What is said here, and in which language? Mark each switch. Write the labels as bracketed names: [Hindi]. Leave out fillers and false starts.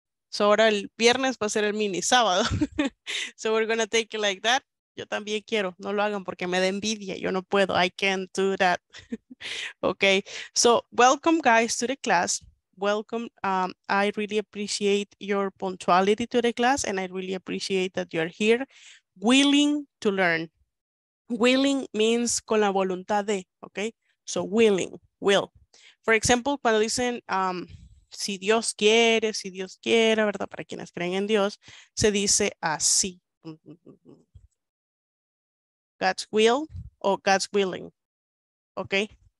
[Spanish] So ahora el viernes va a ser el mini sábado. [English] So we're going to take it like that. [Spanish] Yo también quiero. No lo hagan porque me da envidia. Yo no puedo. [English] I can't do that. Okay. So welcome, guys, to the class. Welcome. I really appreciate your punctuality to the class, and I really appreciate that you're here willing to learn. Willing means [Spanish] con la voluntad de. [English] Okay. So willing, will. For example, [Spanish] cuando dicen, si Dios quiere, si Dios quiera, ¿verdad? Para quienes creen en Dios, se dice así. [English] God's will or God's willing. Okay.